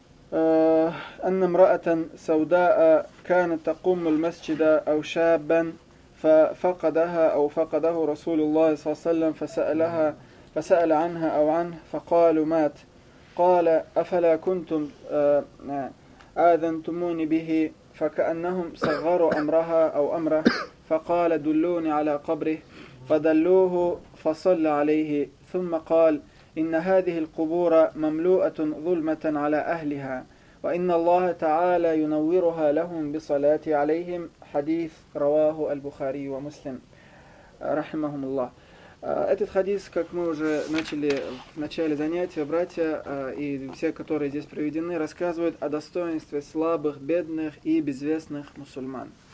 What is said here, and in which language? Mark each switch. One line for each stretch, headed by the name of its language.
Arabic: «Анна мраатан саудаа кана такумму л-масчида ау шааббан фа факадаха ау факадаху Расулуллахи салям фасаала анха ау анх факалу мат. Кала афала кунтум аадан тумуни бихи فكأنهم صغروا أمرها أو أمره فقال دلوني على قبره فدلوه فصلى عليه ثم قال إن هذه القبور مملوءة ظلمة على أهلها وإن الله تعالى ينورها لهم بصلاة عليهم حديث رواه البخاري ومسلم رحمهم الله.
Russian: Этот хадис, как мы уже начали в начале занятия, братья и все, которые здесь приведены, рассказывают о достоинстве слабых, бедных и безвестных мусульман.